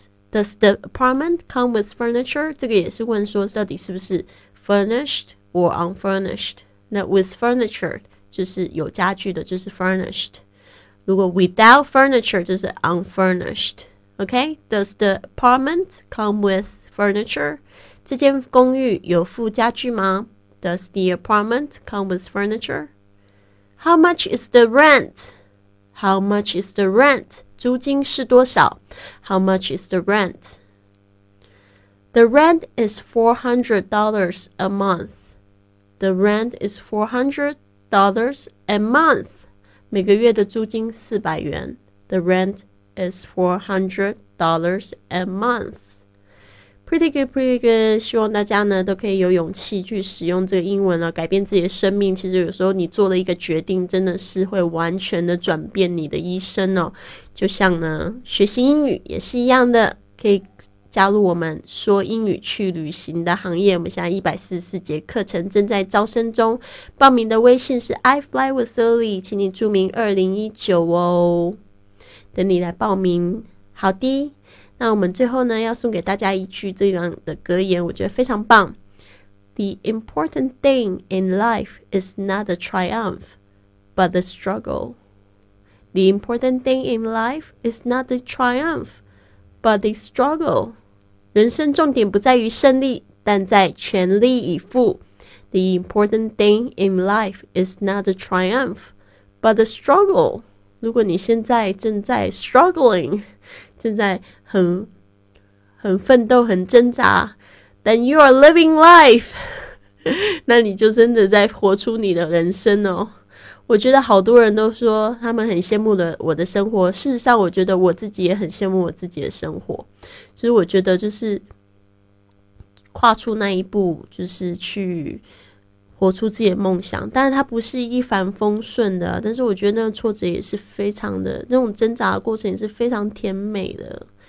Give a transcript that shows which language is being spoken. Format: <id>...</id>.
<en>Does the apartment come with furniture?</en> <zh>这个也是问说到底是不是 furnished。</zh> <en>Or unfurnished.</en> <zh>那</zh> <en>with furniture</en> <zh>就是有家具的，就是 furnished. 如果</zh> <en>without furniture 就是 unfurnished. Okay? Does the apartment come with furniture?</en> <zh>这间公寓有附家具吗？</zh> <en>Does the apartment come with furniture? How much is the rent? How much is the rent?</en> <zh>租金是多少？</zh> <en>How much is the rent? The rent is $400 a month. The rent is $400 a month.</en> <zh>每个月的租金400元。</zh> <en>The rent is $400 a month. Pretty good, pretty good.</en> <zh>希望大家呢都可以有勇气去使用这个英文了，改变自己的生命。其实有时候你做了一个决定，真的是会完全的转变你的一生哦。就像呢，学习英语也是一样的，可以加入我们说英语去旅行的行业。我们现在144节课程正在招生中，报名的微信是 iFlyWithLily， 请你注明2019哦，等你来报名。好的，那我们最后呢要送给大家一句这样的格言，我觉得非常棒。</zh> <en>The important thing in life is not the triumph, but the struggle. The important thing in life is not the triumph, but the struggle.</en> <zh>人生重点不在于胜利，但在全力以赴。</zh> <en>The important thing in life is not the triumph, but the struggle.</en> <zh>如果你现在正在 struggling, 正在很奋斗，很挣扎，</zh> <en>then you are living life.</en> <zh>那你就真的在活出你的人生哦。我觉得好多人都说他们很羡慕的我的生活，事实上我觉得我自己也很羡慕我自己的生活，所以我觉得就是跨出那一步，就是去活出自己的梦想，但是它不是一帆风顺的，但是我觉得那个挫折也是非常的，那种挣扎的过程也是非常甜美的。</zh>